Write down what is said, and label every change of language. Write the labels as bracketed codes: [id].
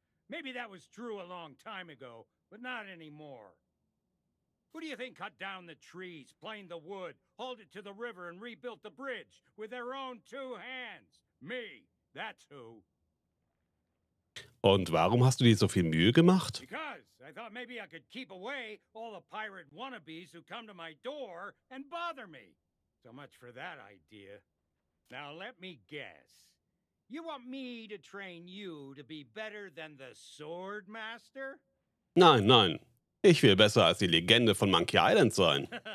[en] Maybe that was true a long time ago, but not anymore. Who do you think cut down the trees, planed the wood, hauled it to the river, and rebuilt the bridge with their own two hands? Me, that's who. [de] Und warum hast du dir so viel Mühe gemacht? [en] Because I thought maybe I could keep away all the pirate wannabes who come to my door and bother me. So much for that idea. Now let me guess. You want me to train you to be better than the sword master? [de] Nein, nein. Ich will besser als die Legende von Monkey Island sein.